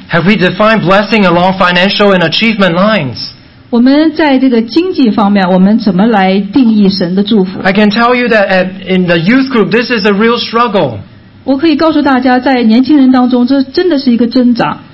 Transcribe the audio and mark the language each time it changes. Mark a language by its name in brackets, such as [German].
[English] Have we defined blessing along financial and achievement lines? [Chinese] 我们在这个经济方面,我们怎么来定义神的祝福? [English] I can tell you that in the youth group, this is a real struggle. [Chinese] 我可以告诉大家,在年轻人当中,这真的是一个挣扎。